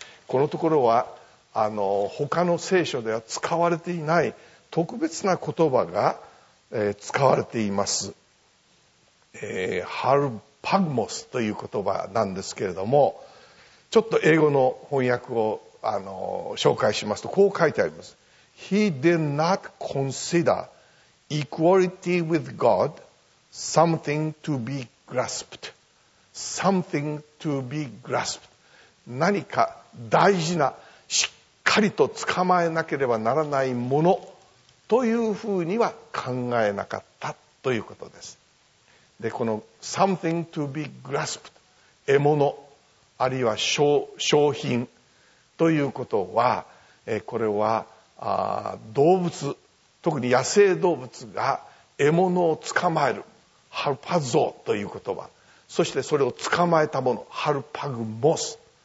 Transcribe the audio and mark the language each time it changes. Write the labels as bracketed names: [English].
[Japanese] このところは他の聖書では使われていない特別な言葉が使われています。ハルパグモスという言葉なんですけれども、ちょっと英語の翻訳を紹介しますと、こう書いてあります。 [English] He did not consider equality with God something to be grasped, something to be grasped. [Japanese] 何か大事な、しっかりと捕まえなければならないものというふうには考えなかったということです。で、この [English] something to be grasped、 [Japanese] 獲物あるいは商品ということは、これは動物、特に野生動物が獲物を捕まえる、ハルパゾーという言葉、そしてそれを捕まえたもの、ハルパグモス、